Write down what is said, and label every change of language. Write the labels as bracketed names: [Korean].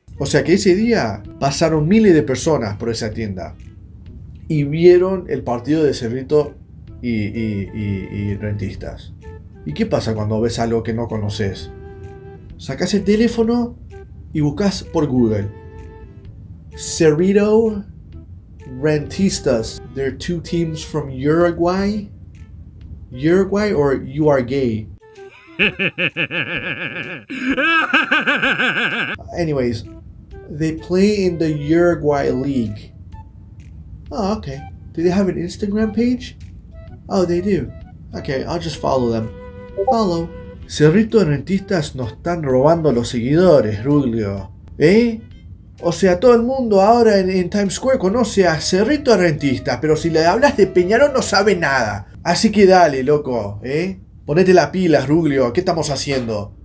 [Spanish] O sea que ese día pasaron miles de personas por esa tienda y vieron el partido de Cerrito y Rentistas. ¿Y qué pasa cuando ves algo que no conoces? Sacás el teléfono y buscas por Google. [English] Cerrito, Rentistas, they're two teams from Uruguay. Uruguay o you are gay. Anyways, they play in the Uruguay League. Oh, okay. Do they have an Instagram page? Oh, they do. Okay, I'll just follow them. Follow. [Spanish] Cerrito Rentistas nos están robando los seguidores, Ruglio. ¿Eh? O sea, todo el mundo ahora en Times Square conoce a Cerrito Rentistas, pero si le hablas de Peñarol no sabe nada. Así que dale, loco, ¿eh? Ponete las pilas, Ruglio, ¿qué estamos haciendo?